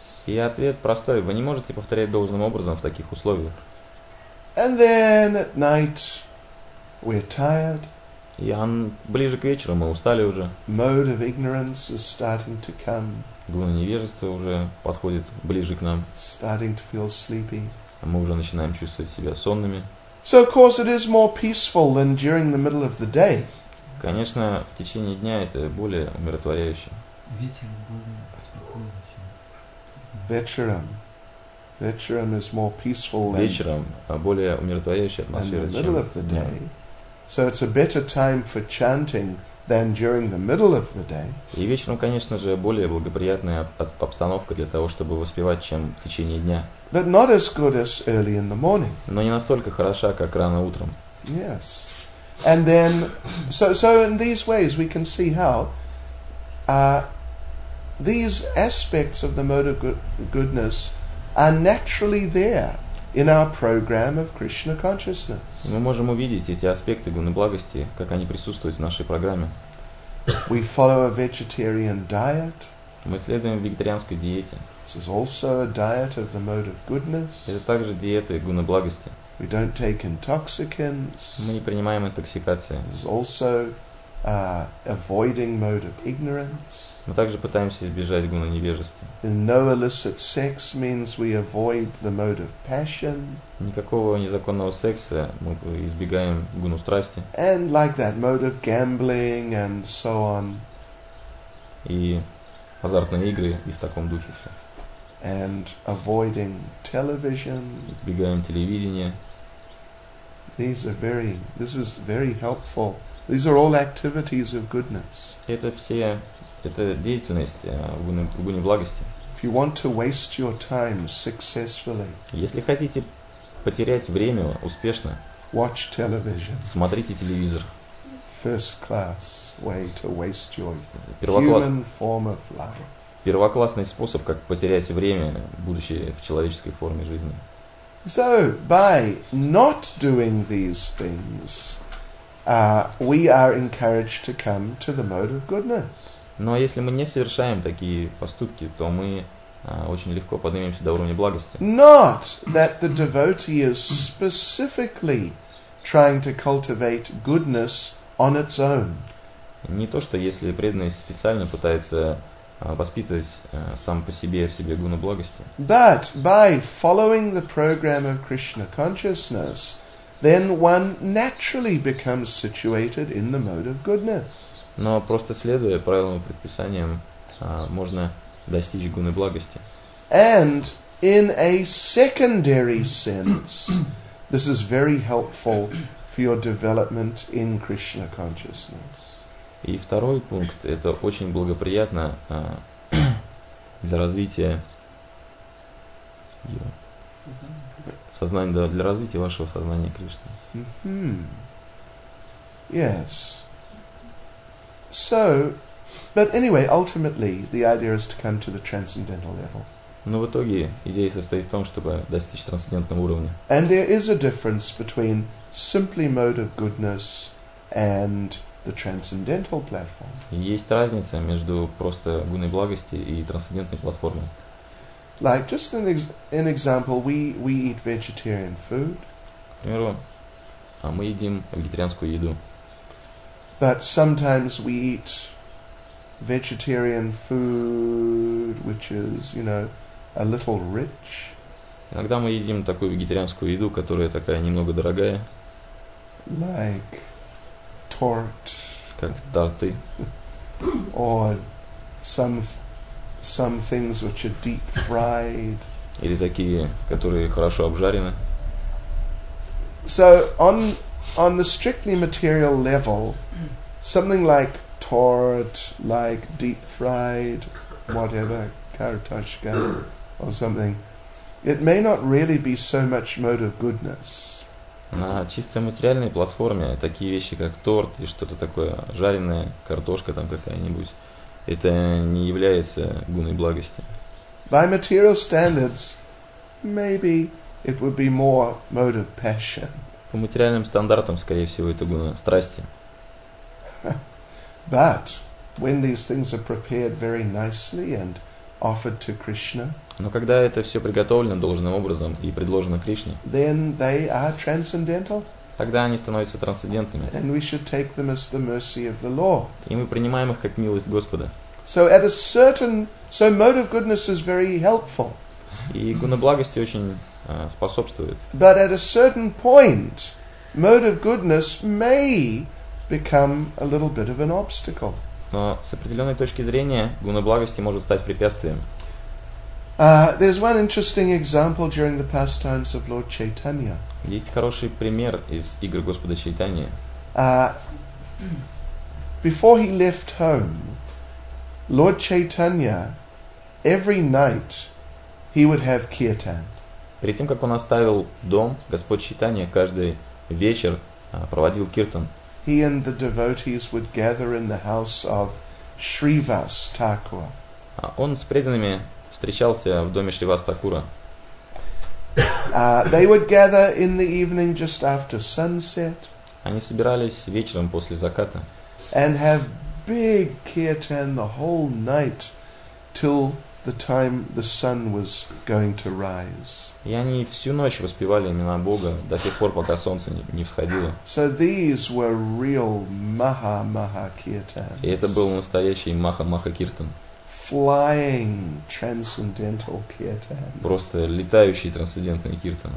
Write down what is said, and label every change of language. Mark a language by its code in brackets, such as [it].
[ru] И ответ простой: вы не можете повторять должным образом в таких условиях. [en] And then at night we're tired. [ru] И ближе к вечеру мы устали уже. [en] Mode of ignorance is starting to come. [ru] Гуна невежества уже подходит ближе к нам. [en] Starting to feel sleepy. [ru] Мы уже начинаем чувствовать себя сонными. [en] So of course it is more peaceful than during the middle of the day. [ru] Конечно, в течение дня это более умиротворяюще. Вечером более спокойно, чем. Вечером [en] is more peaceful than. [ru] Вечером более умиротворяющая атмосфера, чем. [en] In the middle of the day. So it's a better time for chanting than during the middle of the day. [ru] И вечером, конечно же, более благоприятная обстановка для того, чтобы воспевать, чем в течение дня. [en] But not as good as early in the morning. [ru] Но не настолько хороша, как рано утром. [en] Yes. And then, so in these ways we can see how these aspects of the mode of goodness are naturally there in our program of Krishna consciousness. [ru] Мы можем увидеть эти аспекты гуны благости, как они присутствуют в нашей программе. [en] We follow a vegetarian diet. [ru] Мы следуем вегетарианской диете. [en] This is also a diet of the mode of goodness. [ru] Это также диета гуны благости. [en] We don't take intoxicants. [ru] Мы не принимаем интоксикации. [en] This is also avoiding mode of ignorance. [ru] Мы также пытаемся избежать гуны невежества. [en] No illicit sex means we avoid the mode of passion. [ru] Никакого незаконного секса, мы избегаем гуну страсти. [en] And like that, mode of gambling and so on. [ru] И азартные игры, и в таком духе все. [en] And avoiding television. [ru] Избегаем телевидения. [en] This is very helpful. These are all activities of goodness. [ru] Это деятельность в гуне благости. [en] If you want to waste your time successfully, [ru] если хотите потерять время успешно, [en] watch television. [ru] Смотрите телевизор. [en] First class way to waste your human form of life. [ru] Первоклассный способ, как потерять время, будучи в человеческой форме жизни. [en] So, by not doing these things, we are encouraged to come to the mode of goodness. [ru] Но если мы не совершаем такие поступки, то мы очень легко поднимемся до уровня благости. [en] Not that the devotee is specifically trying to cultivate goodness on its own. [ru] Не то, что если преданный специально пытается воспитывать сам по себе в себе гуну благости. [en] But by following the program of Krishna consciousness, then one naturally becomes situated in the mode of goodness. [ru] Но просто следуя правилам и предписаниям, можно достичь гуны благости. [en] And in a secondary sense, this is very helpful for your development in Krishna consciousness. [ru] И второй пункт, это очень благоприятно для развития сознания, да, для развития вашего сознания Кришны. [en] Mm-hmm. Yes. So, but anyway, ultimately, the idea is to come to the transcendental level. [ru] Но в итоге идея состоит в том, чтобы достичь трансцендентного уровня. [en] And there is a difference between simply mode of goodness and the transcendental platform. [ru] Есть разница между просто гуной благости и трансцендентной платформой. [en] Like just an example, we eat vegetarian food. [ru] К примеру, мы едим вегетарианскую еду. [en] But sometimes we eat vegetarian food, which is, you know, a little rich. [ru] Иногда мы едим такую вегетарианскую еду, которая такая немного дорогая. [en] Like tort. [ru] Как торты. [en] Or some things which are deep fried. [ru] Или такие, которые хорошо обжарены. [en] So on the strictly material level, something like tort, like deep fried, whatever, kartoshka or something, it may not really be so much mode of goodness. [ru] На чисто материальной платформе такие вещи, как торт и что-то такое, жареная картошка там какая-нибудь, это не является гуной благости. [en] By material standards, maybe it would be more mode of passion. [ru] По материальным стандартам, скорее всего, это гуна страсти. [en] But when these things are prepared very nicely and offered to Krishna, [ru] но когда это все приготовлено должным образом и предложено Кришне, [en] then they are transcendental. [ru] Тогда они становятся трансцендентными. [en] And we should take them as the mercy of the Lord. [ru] И мы принимаем их как милость Господа. [en] So mode of goodness is very helpful. [ru] И гуна благости очень способствует. [en] But at a certain point, mode of goodness may become a little bit of an obstacle. [ru] Но с определенной точки зрения гуна благости может стать препятствием. [en] There's one interesting example during the pastimes of Lord Chaitanya. [ru] Есть хороший пример из игр Господа Чайтаньи. [en] Before he left home, Lord Chaitanya, every night, he would have kirtan. [ru] Перед тем, как он оставил дом, Господь Чайтанья каждый вечер проводил киртан. [en] He and the devotees would gather in the house of Shrivas Thakura. [ru] Он с преданными встречался в доме Шривас Такура. [en] They would gather in the evening just after sunset. [ru] Они собирались вечером после заката. [en] And have big kirtan the whole night till the time the sun was going to rise. [ru] И они всю ночь воспевали имена Бога до тех пор, пока солнце не всходило. [en] So these were real maha-maha kirtans. [ru] И это был настоящий маха-маха киртан. [en] Flying transcendental kirtans. [ru] Просто летающие трансцендентные киртаны.